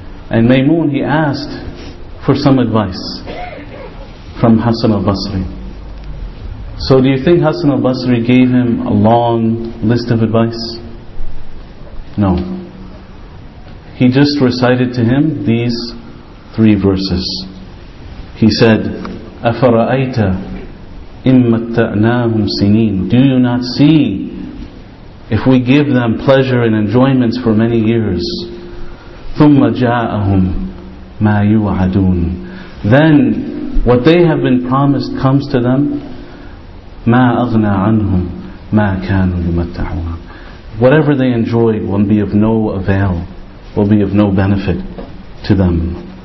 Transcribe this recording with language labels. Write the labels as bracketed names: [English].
[English] And Maymun, he asked for some advice from Hassan al-Basri. So do you think Hassan al-Basri gave him a long list of advice? No. He just recited to him these three verses. He said, [Arabic] أَفَرَأَيْتَ إِمَّا تَعْنَاهُمْ سِنِينَ. [English] Do you not see, if we give them pleasure and enjoyments for many years, [Arabic] ثُمَّ جَاءَهُمْ مَا يُوَعَدُونَ, [English] then what they have been promised comes to them, [Arabic] مَا أَغْنَى عَنْهُمْ مَا كَانُوا يُمَتَّعُونَ, [English] whatever they enjoyed will be of no avail, will be of no benefit to them.